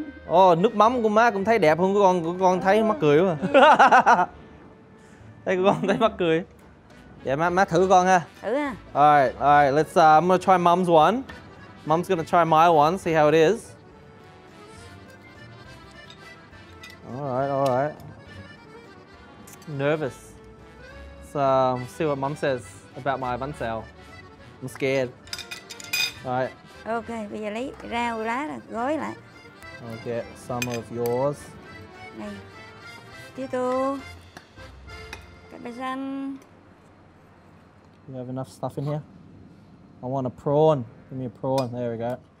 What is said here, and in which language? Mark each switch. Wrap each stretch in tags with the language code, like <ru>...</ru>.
<vi>Oh, nước mắm của má cũng thấy đẹp hơn của con. Của con thấy mắc cười quá. Thấy của con thấy mắc cười. Yeah, má thử con ha. Thử ha.</vi> <en>Alright, let's I'm gonna try mum's one. Mum's gonna try my one, see how it is. Alright. Nervous. So, see what mum says about my bánh xèo. I'm scared. Alright.</en> <vi>Okay, bây giờ lấy rau lá rồi gói lại.</vi> <en>I'll get some of yours.</en> <vi>Này. Tiếp tu. Cái bánh xèo.</vi> <en>You have enough stuff in here? I want a prawn. Give me a prawn. There we go.</en>